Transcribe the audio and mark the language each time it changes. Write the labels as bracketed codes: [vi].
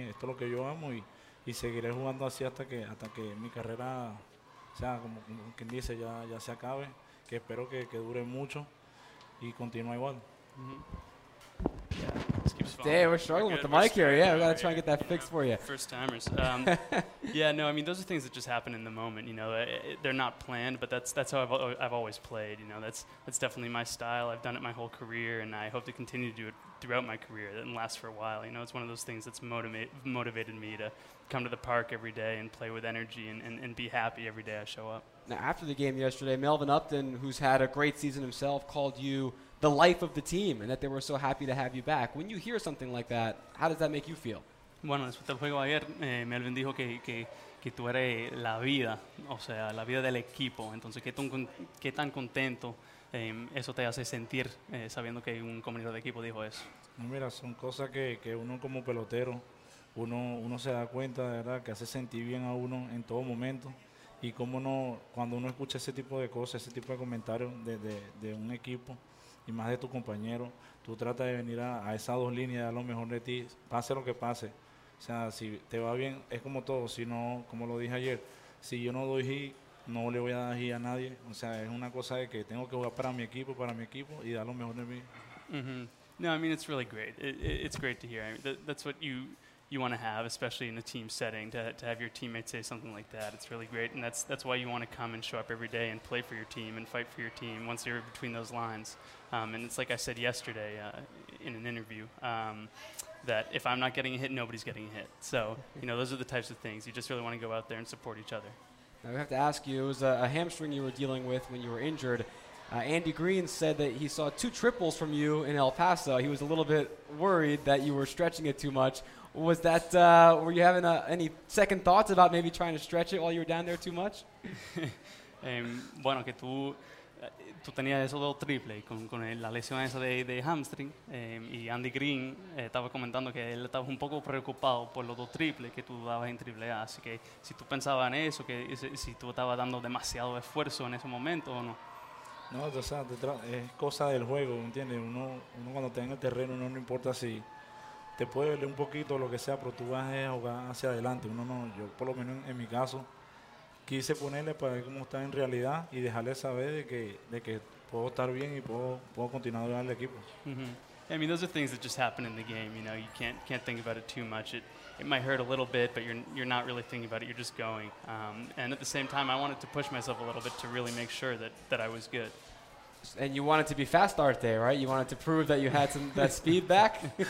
[es] Esto es lo que yo amo y seguiré jugando así hasta que mi carrera, o sea, como quien dice, ya se acabe, que espero que dure mucho y continúe igual. [en] Damn, we're struggling with the mic here. Yeah, we gotta try and get that fixed for you. First timers. yeah, no, I mean, those are things that just happen in the moment. You know, they're not planned, but that's how I've always played. You know, that's definitely my style. I've done it my whole career, and I hope to continue to do it throughout my career and last for a while. You know, it's one of those things that's motivated me to come to the park every day and play with energy and be happy every day I show up. Now, after the game yesterday, Melvin Upton, who's had a great season himself, called you the life of the team and that they were so happy to have you back. When you hear something like that, how does that make you feel? [es] Bueno, después del juego ayer, Melvin dijo que tú eres la vida, o sea, la vida del equipo. Entonces, qué tan contento eso te hace sentir sabiendo que un compañero de equipo dijo eso. Mira, son cosas que uno como pelotero, uno se da cuenta, de verdad, que hace sentir bien a uno en todo momento. Y cómo no, cuando uno escucha ese tipo de cosas, ese tipo de comentarios de un equipo y más de tu compañero, tú tratas de venir a esas dos líneas, a lo mejor de ti, pase lo que pase. O sea, si te va bien, es como todo. Si no, como lo dije ayer, si yo no doy hit, no le voy a dar hit a nadie. O sea, es una cosa de que tengo que jugar para mi equipo y dar lo mejor de mí. [en] Mm-hmm. No, I mean, it's really great. It's great to hear. I mean, that's what you want to have, especially in a team setting, to have your teammates say something like that. It's really great, and that's why you want to come and show up every day and play for your team and fight for your team once you're between those lines. And it's like I said yesterday in an interview, that if I'm not getting a hit, nobody's getting a hit. So, you know, those are the types of things. You just really want to go out there and support each other. Now, we have to ask you, it was a hamstring you were dealing with when you were injured. Andy Green said that he saw two triples from you in El Paso. He was a little bit worried that you were stretching it too much. Was that, were you having any second thoughts about maybe trying to stretch it while you were down there too much? [es] bueno, que tú tenías esos dos triples con la lesión esa de hamstring. Y Andy Green estaba comentando que él estaba un poco preocupado por los dos triples que tú dabas en triple A. Así que si tú pensabas en eso, que si tú estabas dando demasiado esfuerzo en ese momento o no. No, o sea, es cosa del juego, ¿entiendes? Uno cuando está en el terreno, uno no importa si te puede doler un poquito o lo que sea, pero tú vas a jugar hacia adelante. Uno no, yo por lo menos en mi caso, quise ponerle para ver cómo está en realidad y dejarle saber de que puedo estar bien y puedo continuar jugando al equipo. Mm-hmm. [en] I mean, those are things that just happen in the game, you know, you can't think about it too much. It might hurt a little bit, but you're not really thinking about it. You're just going. And at the same time, I wanted to push myself a little bit to really make sure that I was good. And you wanted to be fast art day, right? You wanted to prove that you had that speed back?